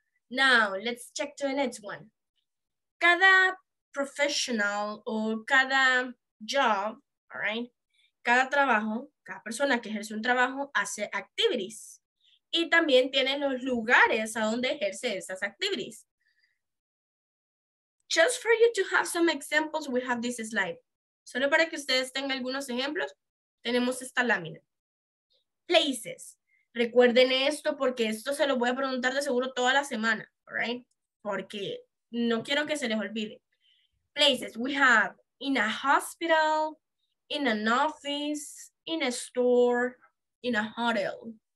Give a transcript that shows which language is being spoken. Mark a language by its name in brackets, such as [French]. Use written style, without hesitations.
[English] Now, let's check to the next one. Cada professional o cada job, all right? [Spanish] Cada trabajo, cada persona que ejerce un trabajo hace activities. Y también tiene los lugares a donde ejerce esas activities. [English] Just for you to have some examples, we have this slide. [Spanish] Solo para que ustedes tengan algunos ejemplos, tenemos esta lámina. Places. Recuerden esto porque esto se lo voy a preguntar de seguro toda la semana, all right? Porque no quiero que se les olvide. Places, we have in a hospital, in an office, in a store, in a hotel.